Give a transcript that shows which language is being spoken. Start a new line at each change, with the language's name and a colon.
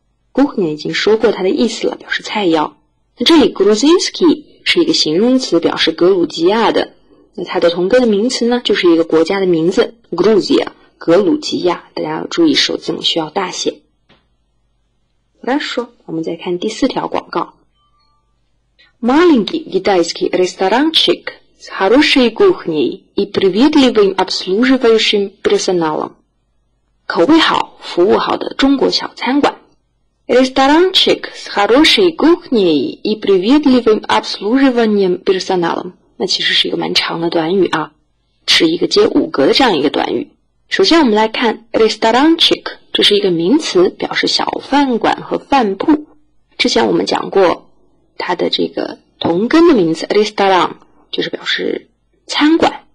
Chinese: Кухня 已经说过它的意思了，表示菜肴。那这里 Грузинский 是一个形容词，表示格鲁吉亚的。那它的同根的名词呢，就是一个国家的名字 Грузия，格鲁吉亚，大家要注意首字母需要大写。Хорошо, 我们再看第四条广告。
Russian: Маленький китайский ресторанчик с хорошей кухней и приветливым обслуживающим персоналом.
Chinese: 口味好，服务好的中国小餐馆。
Russian: Ресторанчик с хорошей кухней и приветливым обслуживанием персоналом.
Chinese: 那其实是一个蛮长的短语啊，是一个接五格的这样一个短语。首先我们来看 Ресторанчик, 这是一个名词，表示小饭馆和饭铺。之前我们讲过它的这个同根的名词 Ресторан, 就是表示餐馆。